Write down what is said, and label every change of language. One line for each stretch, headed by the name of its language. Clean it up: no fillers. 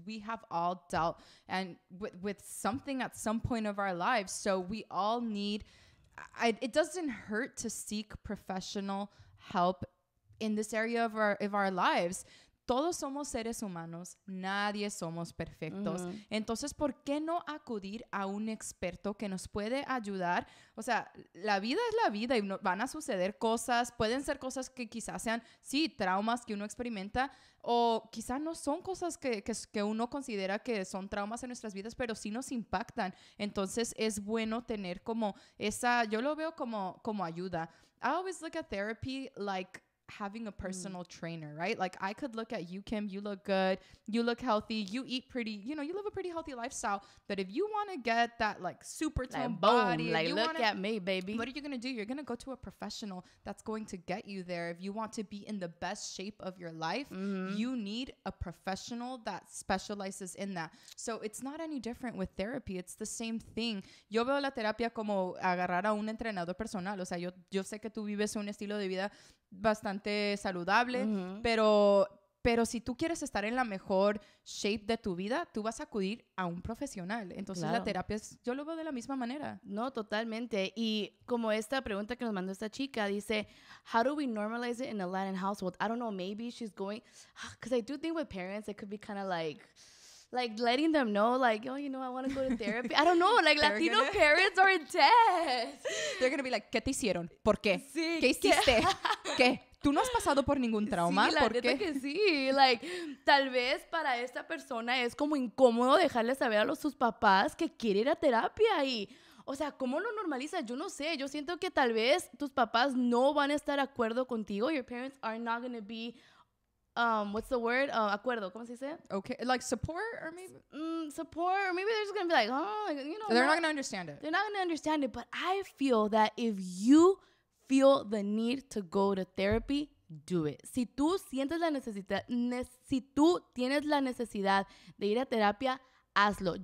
English: We have all dealt and with something at some point of our lives. So we all need, it doesn't hurt to seek professional help in this area of our lives.
Spanish: Todos somos seres humanos. Nadie somos perfectos. Mm-hmm. Entonces, ¿por qué no acudir a un experto que nos puede ayudar? O sea, la vida es la vida y van a suceder cosas. Pueden ser cosas que quizás sean, sí, traumas que uno experimenta. O quizás no son cosas que uno considera que son traumas en nuestras vidas, pero sí nos impactan. Entonces, es bueno tener como esa... Yo lo veo como ayuda.
English: I always look at therapy like... having a personal trainer, right? Like, I could look at you, Kim, you look good, you look healthy, you eat pretty, you know, you live a pretty healthy lifestyle, but if you want to get that, like, super toned like body, like, you look at me, baby. What are you going to do? You're going to go to a professional that's going to get you there. If you want to be in the best shape of your life, you need a professional that specializes in that. So it's not any different with therapy. It's the same thing.
Spanish: Yo veo la terapia como agarrar a un entrenador personal. O sea, yo sé que tú vives un estilo de vida bastante saludable, pero si tú quieres estar en la mejor shape de tu vida, tú vas a acudir a un profesional. Entonces, claro, la terapia es, yo lo veo de la misma manera. No, totalmente. Y como esta pregunta que nos mandó esta chica, dice,
English: how do we normalize it in a Latin household? I don't know, maybe she's going, because I do think with parents, it could be kind of like, like letting them know, like, oh, you know, I want to go to therapy. I don't know, like, Latino parents are in debt. They're gonna be like,
Spanish: ¿qué te hicieron? ¿Por qué? Sí, ¿qué hiciste? ¿Qué? ¿Tú no has pasado por ningún trauma? Sí, la ¿por qué? Que sí. Like, tal vez para esta persona es como incómodo dejarle saber a sus papás que quiere ir a terapia. Y, o sea, ¿cómo lo normaliza? Yo no sé. Yo siento que tal vez tus papás no van a estar de acuerdo contigo.
English: Your parents are not going to be, what's the word?
Spanish: Acuerdo, ¿cómo se dice?
English: Okay, like support or maybe? Support, or maybe they're just going to be like, oh, like, you know. They're not going to understand it. They're not going to understand it. But I feel that if you feel the need to go to therapy, do it.
Spanish: Si tú sientes la necesidad, si tú tienes la necesidad de ir a terapia, hazlo.